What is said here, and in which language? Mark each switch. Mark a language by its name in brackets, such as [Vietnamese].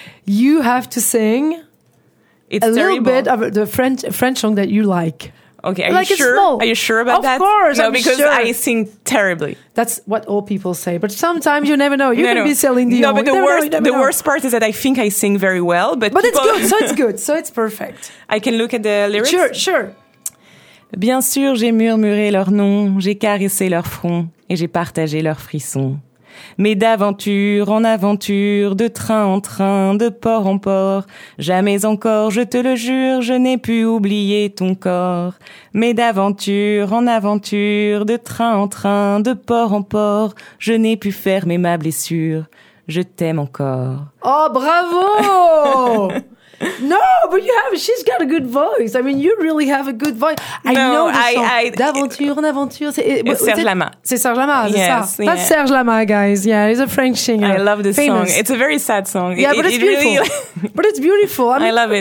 [English] You have to sing little bit of the French song that you like. Okay, are you sure? Small. Are you sure about that? Of course, because I sing terribly. That's what all people say. But sometimes you never know. You can be Céline Dion. No, but the worst part is that I think I sing very well. But it's good, so it's good. So it's perfect. I can look at the lyrics? Sure. [French] Bien sûr, j'ai murmuré leur nom, j'ai caressé leur front et j'ai partagé leurs frissons. Mais d'aventure en aventure, de train en train, de port en port, jamais encore, je te le jure, je n'ai pu oublier ton corps. Mais d'aventure en aventure, de train en train, de port en port, je n'ai pu fermer ma blessure, je t'aime encore. [English] Oh, bravo! No, but she's got a good voice. I mean, you really have a good voice. I know the song. [French] D'aventure en aventure. [English] It's Serge Lama. [French] C'est Serge Lama, c'est [English] yes, [French] ça. [English] That's Serge Lama, guys. Yeah, he's a French singer. I love this song. It's a very sad song. Yeah, but it's beautiful. But it's beautiful. I mean, I love it.